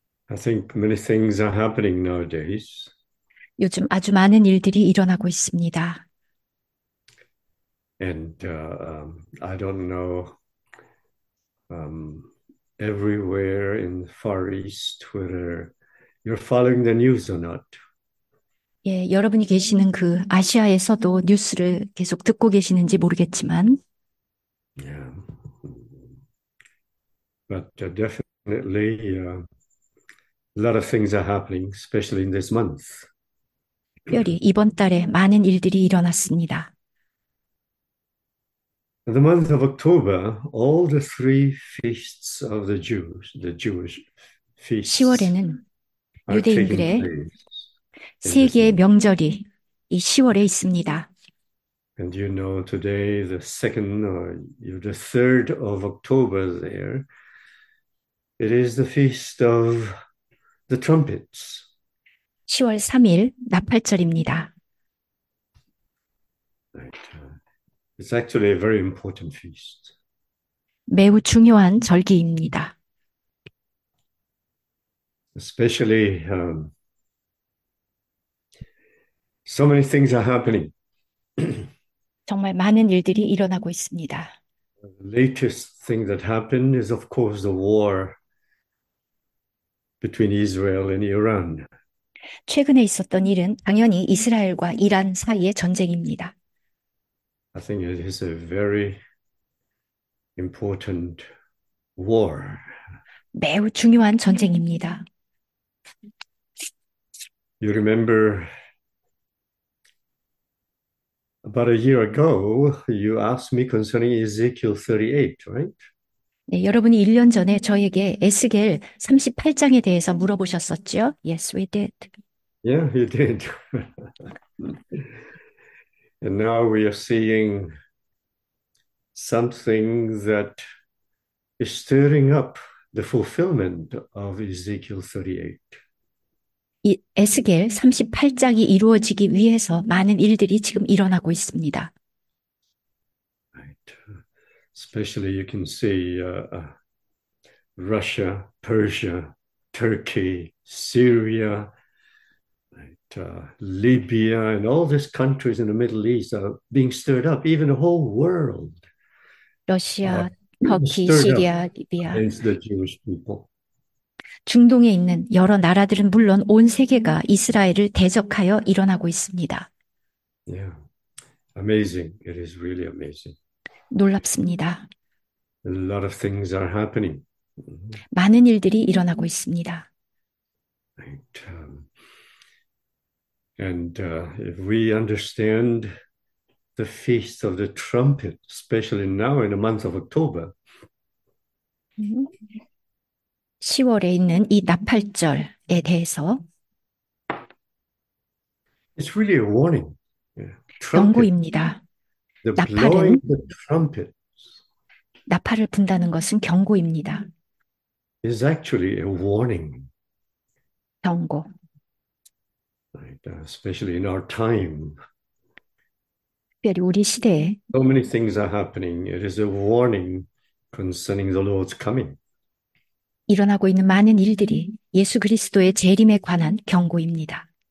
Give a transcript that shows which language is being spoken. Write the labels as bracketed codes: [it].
[en] I think many things are happening nowadays. [ko] 요즘 아주 많은 일들이 일어나고 있습니다. [en] And I don't know everywhere in the Far East whether you're following the news or not. [ko] 예, 여러분이 계시는 그 아시아에서도 뉴스를 계속 듣고 계시는지 모르겠지만, [en] But definitely, a lot of things are happening, especially in this month. [ko] 특별히 이번 달에 많은 일들이 일어났습니다. [en] The month of October, all the three feasts of the Jewish feasts, [ko] 10월에는 [en] are taking [ko] 유대인들의 [en] place in [ko] 세 [en] this [ko] 개의 [en] month. [ko] 명절이 이 10월에 있습니다. [en] And you know, today the second or the third of October, there it is the feast of the trumpets. [ko] 10월 3일 나팔절입니다. [en] It's actually a very important feast. [ko] 매우 중요한 절기입니다. [en] Especially, so many things are happening. [ko] 정말 많은 일들이 일어나고 있습니다. [en] Latest thing that happened is, of course, the war between Israel and Iran. [ko] 최근에 있었던 일은 당연히 이스라엘과 이란 사이의 전쟁입니다. [en] I think it is a very important war. [ko] 매우 중요한 전쟁입니다. [en] You remember about a year ago, you asked me concerning Ezekiel 38, right? [ko] 네, 여러분이 1년 전에 저에게 에스겔 38장에 대해서 물어보셨었죠? [en] Yes, we did. Yeah, he did. And now we are seeing something that is stirring up the fulfillment of Ezekiel 38. [ko] 이 에스겔 38장이 이루어지기 위해서 많은 일들이 지금 일어나고 있습니다. [en] Especially you can see Russia, Persia, Turkey, Syria. Libya and all these countries in the Middle East are being stirred up. Even the whole world are [ko] 러시아, 터키, [en] stirred up [ko] 시리아, 리비아, [en] against the Jewish people. [ko] 중동에 있는 여러 나라들은 물론 온 세계가 이스라엘을 대적하여 일어나고 있습니다. [en] Yeah, amazing. It is really amazing. [ko] 놀랍습니다. [en] A lot of things are happening. [ko] 많은 일들이 일어나고 있습니다. [en] And if we understand the feast of the trumpet, especially now in the month of October, [ko] 10월에 있는 이 나팔절에 대해서 [en] it's really a warning. Yeah. Trumpet, [ko] 경고입니다. [en] the blowing [ko] 나팔은 [en] the trumpets [ko] 나팔을 분다는 것은 경고입니다. [en] is actually a warning. [ko] 경고. [en] Especially in our time, [ko] 특별히 우리 시대에 [en] so many things are happening. It is a warning concerning the Lord's coming. [ko] 일어나고 있는 많은 일들이 예수 그리스도의 재림에 관한 경고입니다.